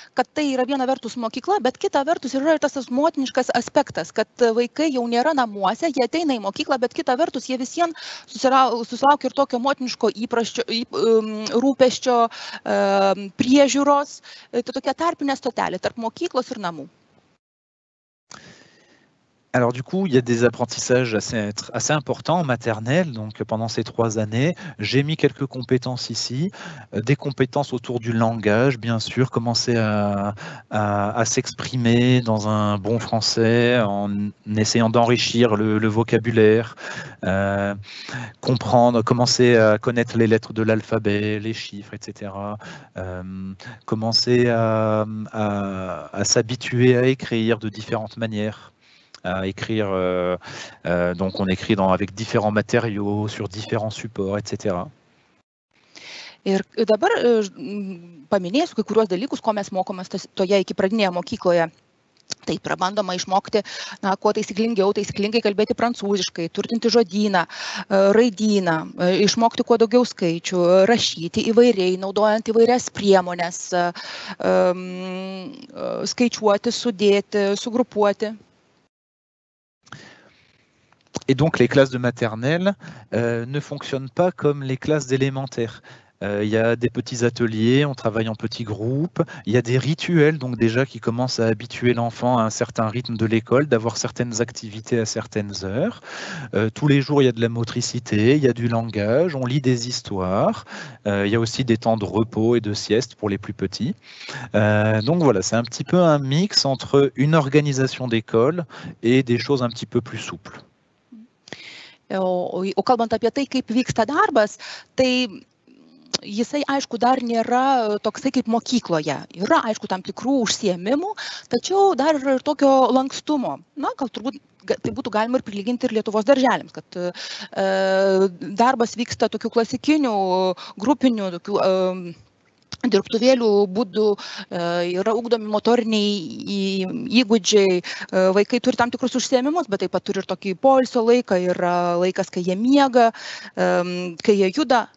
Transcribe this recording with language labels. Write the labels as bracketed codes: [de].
[lt] Kad tai yra viena vertus mokykla, bet kita vertus yra tas motiniškas aspektas, kad vaikai jau nėra namuose, jie ateina į mokyklą, bet kita vertus jie visiems susilaukia ir tokio motiniško įpraščio, rūpesčio, priežiūros. Tai tokia tarpinė stotelė tarp mokyklos ir namų. [fr] Alors du coup, il y a des apprentissages assez importants en maternelle. Donc pendant ces 3 années, j'ai mis quelques compétences ici, des compétences autour du langage, bien sûr, commencer à s'exprimer dans un bon français en essayant d'enrichir le vocabulaire, comprendre, commencer à connaître les lettres de l'alphabet, les chiffres, etc. Commencer à s'habituer à écrire de différentes manières. À écrire, donc on écrit avec différents matériaux, sur différents supports, etc. [lt] Ir dabar paminėsiu kai kuriuos dalykus, ko mes mokomės toje iki pradinėje mokykloje. Tai prabandoma išmokti, na, kuo taisyklingiau, taisyklingai kalbėti prancūziškai, turtinti žodyną, raidyną, išmokti kuo daugiau skaičių, rašyti įvairiai, naudojant įvairias priemones, skaičiuoti, sudėti, sugrupuoti. [fr] Et donc les classes de maternelle ne fonctionnent pas comme les classes d'élémentaire. Il y a des petits ateliers, on travaille en petits groupes, il y a des rituels donc déjà qui commencent à habituer l'enfant à un certain rythme de l'école, d'avoir certaines activités à certaines heures. Tous les jours, il y a de la motricité, il y a du langage, on lit des histoires, il y a aussi des temps de repos et de sieste pour les plus petits. Donc voilà, c'est un petit peu un mix entre une organisation d'école et des choses un petit peu plus souples. [lt] O kalbant apie tai, kaip vyksta darbas, tai jisai, aišku, dar nėra toksai kaip mokykloje. Yra, aišku, tam tikrų užsiėmimų, tačiau dar yra ir tokio lankstumo. Na, gal turbūt tai būtų galima ir prilyginti ir Lietuvos darželiams, kad darbas vyksta tokių klasikinių, grupinių, tokių dirbtuvėlių būdų, yra ugdomi motoriniai įgūdžiai, vaikai turi tam tikrus užsiėmimus, bet taip pat turi ir tokį poilsio laiką, yra laikas, kai jie miega, kai jie juda.